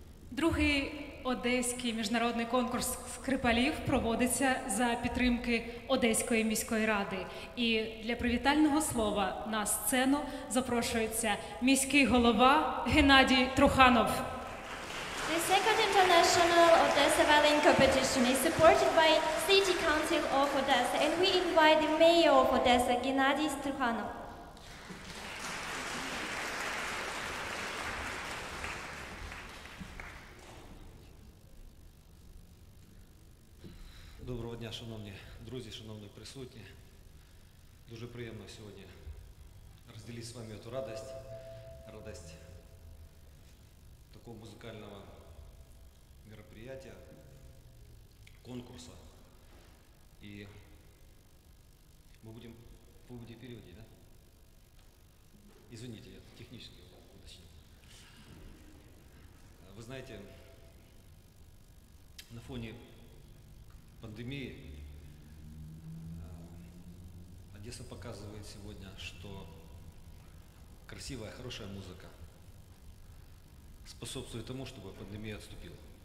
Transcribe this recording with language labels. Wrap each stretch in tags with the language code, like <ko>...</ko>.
<uk>Другий одеський міжнародний конкурс скрипалів проводиться за підтримки Одеської міської ради. І для привітального слова на сцену запрошується міський голова Геннадій Труханов.</uk> <en>The second international Odessa violin competition is supported by City Council of Odessa, and we invite the mayor of Odessa, Геннадій Труханов.</en> <uk>Доброго дня, шановні друзі, шановні присутні. Дуже приємно сьогодні розділити з вами цю радість такого музикального</uk> <ru>мероприятия, конкурса. И мы будем в поводе периоде, да? Извините, я технически уточнил. Вы знаете, на фоне пандемии Одесса показывает сегодня, что красивая, хорошая музыка способствует тому, чтобы пандемия отступила.</ru>